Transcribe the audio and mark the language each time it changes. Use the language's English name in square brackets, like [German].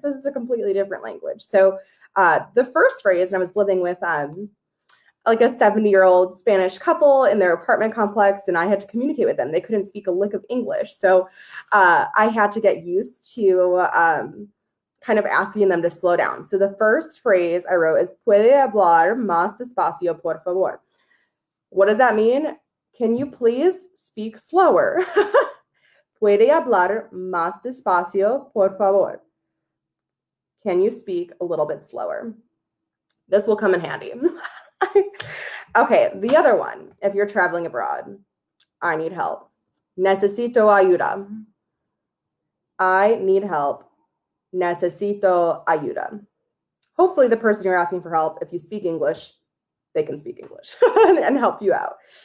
[English] This is a completely different language. So the first phrase, and I was living with, like a 70-year-old Spanish couple in their apartment complex, and I had to communicate with them. They couldn't speak a lick of English. So I had to get used to kind of asking them to slow down. So the first phrase I wrote is, [Spanish] ¿Puede hablar más despacio, por favor? [English] What does that mean? Can you please speak slower? [Spanish] ¿Puede hablar más despacio, por favor? [English] Can you speak a little bit slower? This will come in handy. Okay, the other one, if you're traveling abroad, I need help. [Spanish] Necesito ayuda. [English] I need help. [Spanish] Necesito ayuda. [English] Hopefully the person you're asking for help, if you speak English, they can speak English and help you out.